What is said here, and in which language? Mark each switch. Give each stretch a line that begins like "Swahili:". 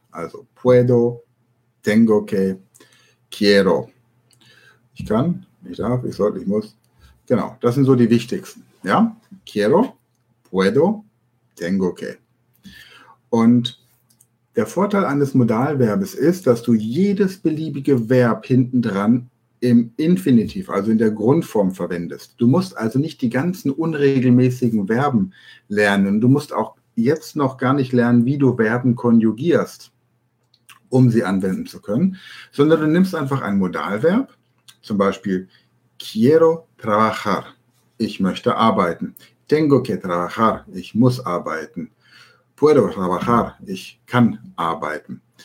Spanish: Also puedo, tengo que, quiero.
German: Ich kann, ich darf, ich soll, ich muss. Genau, das sind so die wichtigsten.
Spanish: Ja, quiero, puedo, tengo que.
German: Und der Vorteil eines Modalverbes ist, dass du jedes beliebige Verb hintendran im Infinitiv, also in der Grundform, verwendest. Du musst also nicht die ganzen unregelmäßigen Verben lernen. Du musst auch jetzt noch gar nicht lernen, wie du Verben konjugierst, um sie anwenden zu können, sondern du nimmst einfach ein Modalverb, zum Beispiel
Spanish: quiero trabajar,
German: ich möchte arbeiten,
Spanish: tengo que trabajar,
German: ich muss arbeiten,
Spanish: puedo trabajar,
German: ich kann arbeiten.